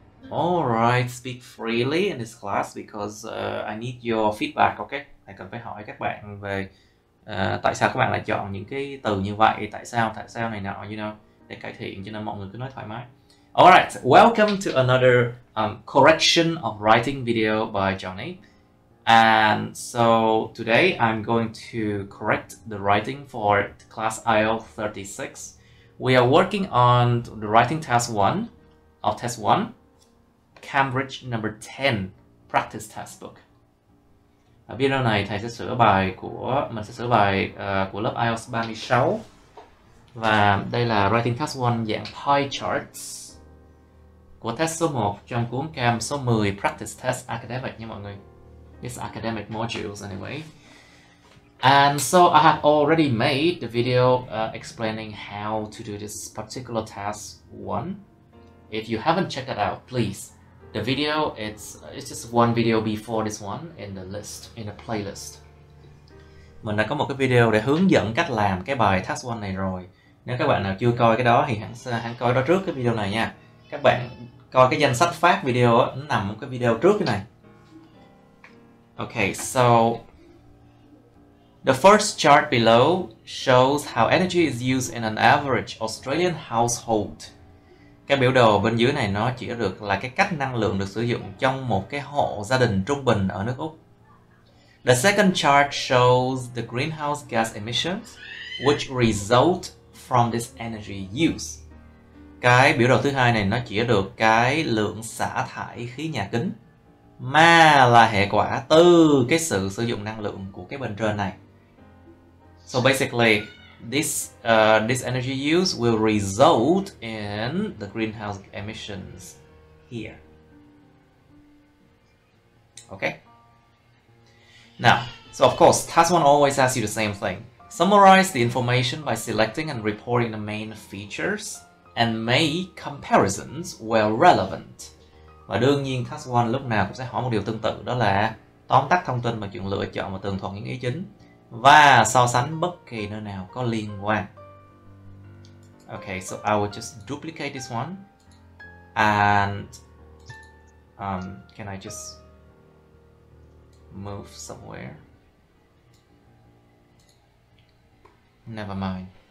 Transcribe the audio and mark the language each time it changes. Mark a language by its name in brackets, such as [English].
[English] All right, speak freely in this class because I need your feedback, okay? [Vietnamese] I cần phải hỏi các bạn về tại sao các bạn lại chọn những cái từ như vậy, tại sao này nọ, để cải thiện, cho nên mọi người cứ nói thoải mái. [English] All right, welcome to another correction of writing video by Johnny. And so today I'm going to correct the writing for class IELTS 36. We are working on the writing task 1 of test 1. Cambridge number 10 practice test book. [Vietnamese] Ở video này thầy sẽ sửa bài của mình sẽ sửa bài của lớp IELTS 36. Và đây là writing task 1 dạng pie charts của test số 1 trong cuốn Cam số 10 Practice Test Academic nha mọi người. [English] This academic modules anyway. And so I have already made the video explaining how to do this particular task 1. If you haven't checked that out, please. The video, it's just one video before this one in the list, in the playlist. [Vietnamese] Mình đã có một cái video để hướng dẫn cách làm cái bài task 1 này rồi. Nếu các bạn nào chưa coi cái đó thì hẳn coi đó trước cái video này nha. Các bạn coi cái danh sách phát video nó nằm cái video trước cái này. [English] Okay, so the first chart below shows how energy is used in an average Australian household. [Vietnamese] Cái biểu đồ bên dưới này nó chỉ được là cái cách năng lượng được sử dụng trong một cái hộ gia đình trung bình ở nước Úc. [English] The second chart shows the greenhouse gas emissions which result from this energy use. [Vietnamese] Cái biểu đồ thứ hai này nó chỉ được cái lượng xả thải khí nhà kính mà là hệ quả từ cái sự sử dụng năng lượng của cái bên trên này. [English] So basically, this energy use will result in the greenhouse emissions here. Okay. Now, so of course, task one always asks you the same thing. Summarize the information by selecting and reporting the main features and make comparisons where relevant. [Vietnamese] Và đương nhiên task 1 lúc nào cũng sẽ hỏi một điều tương tự, đó là tóm tắt thông tin và chọn lựa chọn và tường thuật những ý chính và so sánh bất kỳ nơi nào có liên quan. [English] Okay, so I will just duplicate this one and can I just move somewhere? Never mind.